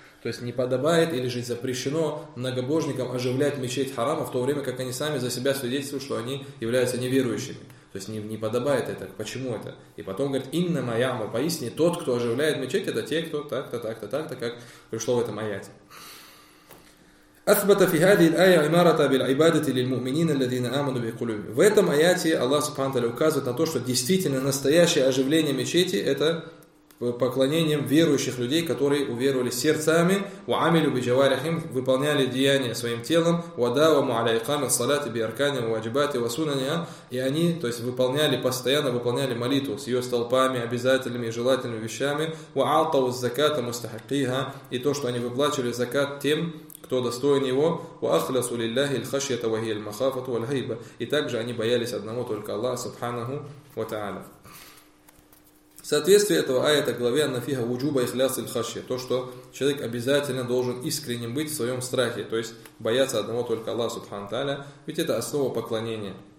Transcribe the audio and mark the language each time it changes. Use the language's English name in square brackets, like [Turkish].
[Russian] То есть не подобает или же запрещено многобожникам оживлять мечеть Харама в то время, как они сами за себя свидетельствуют, что они являются неверующими. То есть не подобает это. Почему это? И потом говорит: [Arabic] «Иннама яъмуру», [Russian] поистине тот, кто оживляет мечеть, это те, кто так-то, как пришло в этом аяте. [Arabic] أثبت في هذه الآية إمارة بالعبادة للمؤمنين الذين آمنوا بقلوبهم. [Russian] В этом аяте Аллах Субхана ва Тааля указывает на то, что действительно настоящее оживление мечети — это поклонением верующих людей, которые уверовали сердцами, [Arabic] وعملوا بجوارحهم, [Russian] выполняли деяния своим телом, [Arabic] وداوموا على إقامة الصلاة بأركانها وواجباتها وسننها, [Russian] и они, то есть выполняли постоянно, выполняли молитву с ее столпами, обязательными и желательными вещами, [Arabic] وعطوا الزكاة مستحقيها, [Russian] и то, что они выплачивали закат тем, кто достоин его, [Arabic] وَأَخْلَصُ لِلَّهِ الْخَشْيَةَ وَهِيَ الْمَخَافَةُ وَالْهَيْبَ. [Russian] И также они боялись одного только Аллаха, Субханаху ва Тааля. Соответствие этого аята главе Ан-Нафиха вуджуба ихляс иль-хашья, то, что человек обязательно должен искренним быть в своем страхе, то есть бояться одного только Аллаха, Субхану Тааля, ведь это основа поклонения.